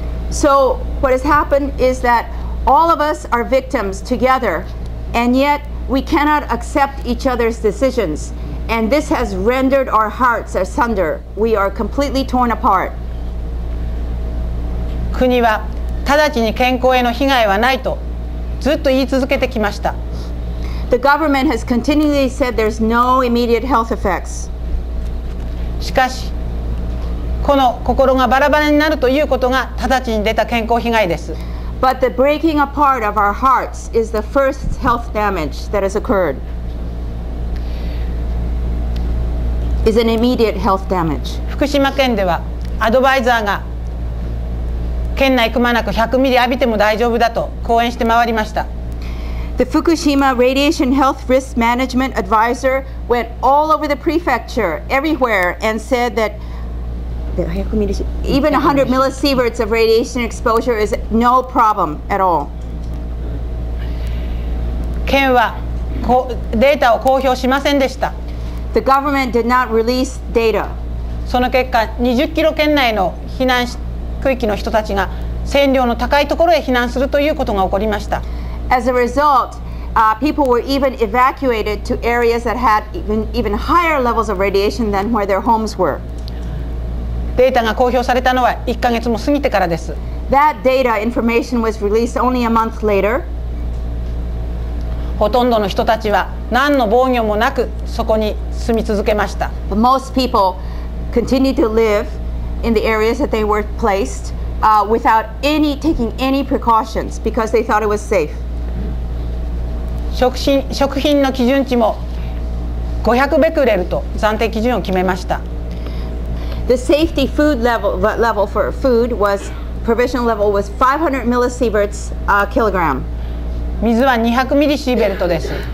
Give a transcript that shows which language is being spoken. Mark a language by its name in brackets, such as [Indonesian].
[English] So what has happened is that all of us are victims together, and yet we cannot accept each other's decisions. And this has rendered our hearts asunder. We are completely torn apart. [Japanese] 国は直ちに健康への被害はないとずっと言い続けてきました。 [English] The government has continually said there's no immediate health effects. [Japanese] しかしこの心がバラバラになるということが直ちに出た健康被害です。 [English] But the breaking apart of our hearts is the first health damage that has occurred. Is an immediate health damage. [Japanese] 福島県ではアドバイザーが県内くまなく100ミリ浴びても大丈夫だと講演して回りました。 [English] The Fukushima Radiation Health Risk Management Advisor went all over the prefecture, everywhere, and said that. Even 100 millisieverts of radiation exposure is no problem at all. [Japanese] 県はデータを公表しませんでした。 [English] The government did not release data. [Japanese] その結果、20キロ圏内の避難区域の人たちが線量の高いところへ避難するということが起こりました。 [English] As a result, people were even evacuated to areas that had even higher levels of radiation than where their homes were. [Japanese] データが公表されたのは1ヶ月も過ぎてからです。 [English] That data information was released only a month later. [Japanese] ほとんどの人たちは何の防御もなくそこに住み続けました。 [English] But most people continued to live in the areas that they were placed, without any taking any precautions because they thought it was safe. [Japanese] 食品の基準値も500ベクレルと暫定基準を決めました。 [English] The safety food level for food was provisional level was 500 millisieverts a kilogram. [Japanese] 水は200ミリシーベルトです。